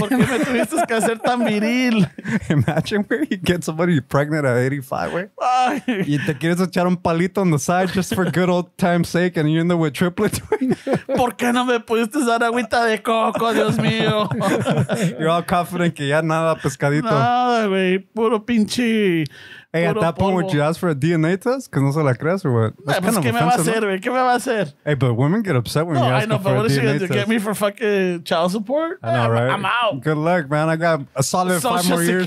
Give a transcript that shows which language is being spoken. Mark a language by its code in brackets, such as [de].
[es] ¿Por qué me tuviste que hacer tan viril? [en] Imagine where you get somebody pregnant at 85, güey. [es] Y te quieres echar un palito [en] on the side just for good old time's sake and you're in there with triplets. [es] ¿Por qué no me pudiste dar agüita de coco, Dios mío? [en] You're all confident [es] que ya nada, pescadito. Nada, güey. Puro pinche... [en] Hey, at that point, would you ask for a DNA test? Because [es] no se la crees [en] or what? That's kind of offensive. [es] ¿Qué me va a hacer, güey? ¿Qué me va a hacer? [en] Hey, but women get upset when you ask for a DNA test. No, I know, but what is she going to do? Get me for fucking child support? I know, right? I'm out. Good luck, man. I got a solid 5 more years.